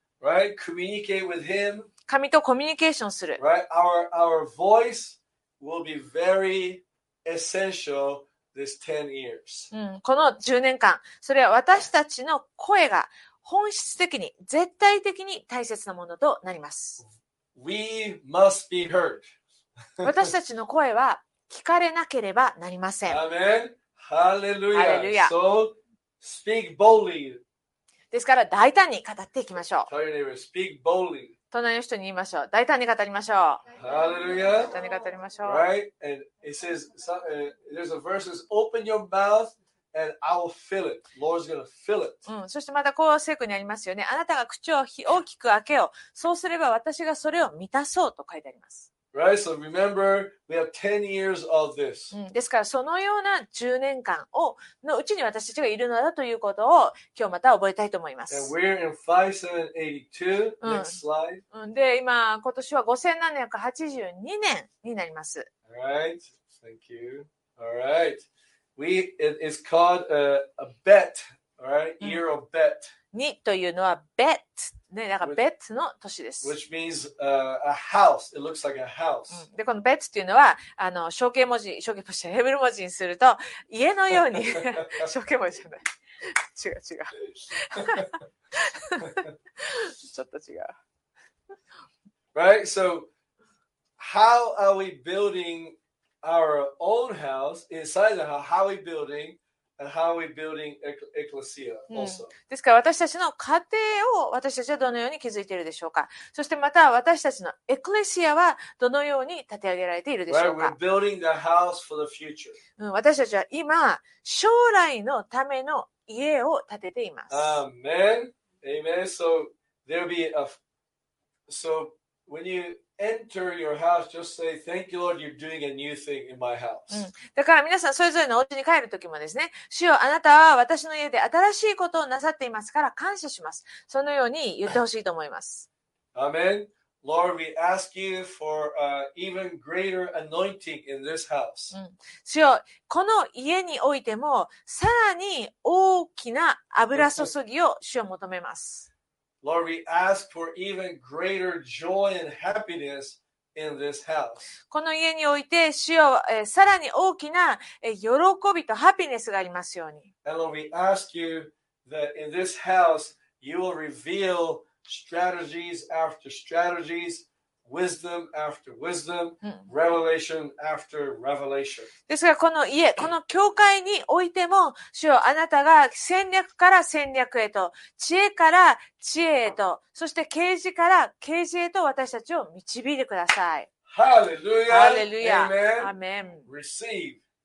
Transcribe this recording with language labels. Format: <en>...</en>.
<en>Right? Communicate with him.</en> <ja>神とコミュニケーションする。</ja> <en>Right? Our voice will be very essential this 10 years.</en> <ja>うん、この10年間、それは私たちの声が本質的に、絶対的に大切なものとなります。</ja> <en>We must be heard.</en> <ja>私たちの声は聞かれなければなりません。</ja> <en>Amen. Hallelujah. Hallelujah. So, speak boldly.</en> <ja>ですから大胆に語っていきましょう。</ja> <en>Tell your neighbor, speak boldly.</en> <ja>隣の人に言いましょう。大胆に語りましょう。</ja> <en>Hallelujah.</en> <ja>大胆に語りましょう。</ja> <en>Right? And it says, there's a verse that says, open your mouth and I will fill it. Lord's going to fill it.</en> <ja>そしてまたこう聖句にありますよね。あなたが口を大きく開けよう。そうすれば私がそれを満たそうと書いてあります。</ja> <en>Right, so remember, we have 10 years of this.</en> <ja>ですから、そのような10年間を、のうちに私たちがいるのだということを、今日また覚えたいと思います。</ja> <en>And we're in 5782. Next slide.</en> <ja>で、今、今年は5782年になります。</ja> <en>Alright, thank you. Alright. It is called a bet. Alright, year of bet.</en> <ja>にというのは bet ね、だから bet の年です。</ja> <en>Which means a house. It looks like a house.</en> <ja>で、この bet というのは、あの、象形文字、象形文字、ヘブル文字にすると、家のように、象形文字じゃない。違う違う。ちょっと違う。</ja> <en>Right? So, how are we building our own house inside the house? How are we building? And how we building ecclesia also.</en> <ja>ですから私たちの家庭を私たちはどのように築いているでしょうか。そしてまた私たちのエクレシアはどのように建て上げられているでしょうか。</ja> <en>Right, we're building the house for the future.</en> <ja>私たちは今将来のための家を建てています。</ja> <en>Amen. Amen. So there'll be a. So when you. Enter your house. Just say, "Thank you, Lord. You're doing a new thing in my house."</en> <ja>だから皆さんそれぞれのお家に帰るときもですね、主よ、あなたは私の家で新しいことをなさっていますから感謝します。そのように言ってほしいと思います。</ja> <en>Amen. Lord, we ask you for even greater anointing in this house.</en> <ja>主よ、この家においてもさらに大きな油注ぎを主よ求めます。</ja> <en>Lord, we ask for even greater joy and happiness in this house.</en> <ja>この家において主よ、さらに大きな喜びとハピネスがありますように。</ja> <en>And Lord, we ask you that in this house you will reveal strategies after strategies, wisdom after wisdom, revelation after revelation.</en> <ja>ですがこの家、この教会においても主よ、あなたが戦略から戦略へと、知恵から知恵へと、そして啓示から啓示へと私たちを導いてください。ハレルヤ。ハレルヤ。アメン。Receive</ja>